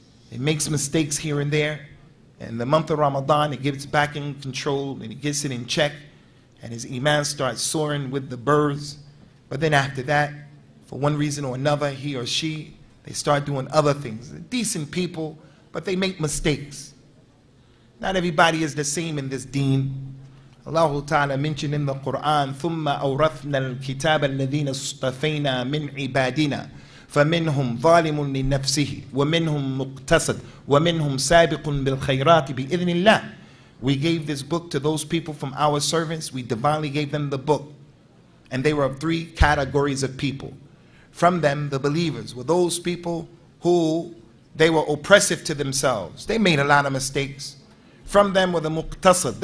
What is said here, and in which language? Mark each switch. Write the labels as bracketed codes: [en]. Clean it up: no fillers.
[en] It makes mistakes here and there. In the month of Ramadan, it gets back in control and it gets it in check, and his iman starts soaring with the birds. But then after that, for one reason or another, he or she, they start doing other things. They're decent people, but they make mistakes. Not everybody is the same in this deen. Allah Ta'ala mentioned in the Qur'an, [ar] ثُمَّ أَوْرَثْنَا الْكِتَابَ الَّذِينَ اصْطَفَيْنَا مِنْ عِبَادِنَا فَمِنْهُمْ ظَالِمٌ لِنَّفْسِهِ وَمِنْهُمْ مُقْتَصِدٌ وَمِنْهُمْ سَابِقٌ بِالْخَيْرَاتِ بِإِذْنِ اللَّهِ. [en] We gave this book to those people from our servants. We divinely gave them the book. And they were of three categories of people. From them, the believers were those people who they were oppressive to themselves. They made a lot of mistakes. From them were the muqtasid.